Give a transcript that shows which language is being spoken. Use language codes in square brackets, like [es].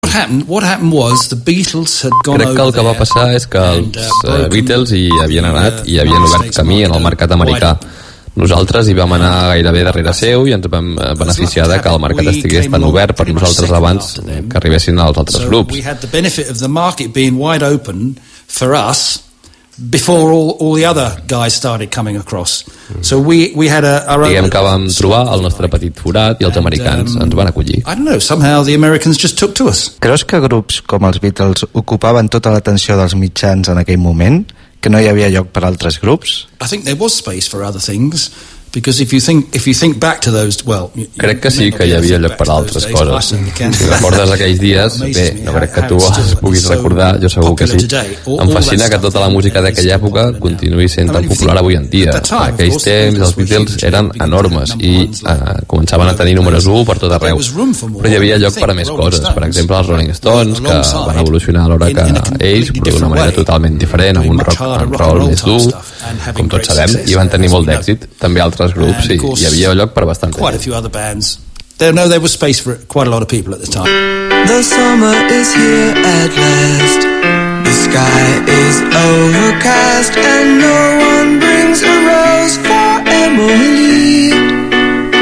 [en] happened was the Beatles had gone [ca] over. Crec que el que va passar és que els Beatles hi havien anat i havien obert camí en el mercat americà. Nosaltres hi vam anar gairebé darrere seu i ens vam beneficiar de que el mercat estigués tan obert per nosaltres abans que arribessin als altres grups. [en] We had the benefit of the market being wide open for us before all the other guys started coming across. So we had our [ca] own. Diguem que vam trobar el nostre petit forat i els americans ens van acollir. [en] I don't know, somehow the Americans just took to us. [ca] Creus que grups com els Beatles ocupaven tota l'atenció dels mitjans en aquell moment? Que no hi havia lloc per altres grups? [en] I think there was space for other things, because if you think back to those, well, [ca] crec que sí que hi havia lloc per altres coses. Si recordes aquells dies, bé, no crec que tu els puguis recordar, jo segur que sí. Em fascina que tota la música d'aquella època continuï sent tan popular avui en dia. En aquells temps els Beatles eren enormes i començaven a tenir números 1 per tot arreu, però hi havia lloc per a més coses, per exemple els Rolling Stones, que van evolucionar a l'hora que ells, però d'una manera totalment diferent, amb un rock and roll més dur, com tots sabem, i van tenir molt d'èxit. També altres grups, sí, hi havia lloc per bastant. [en] Quite a few other bands. There was space for quite a lot of people at the time. The summer is here at last. The sky is overcast and no one brings a rose for Emily.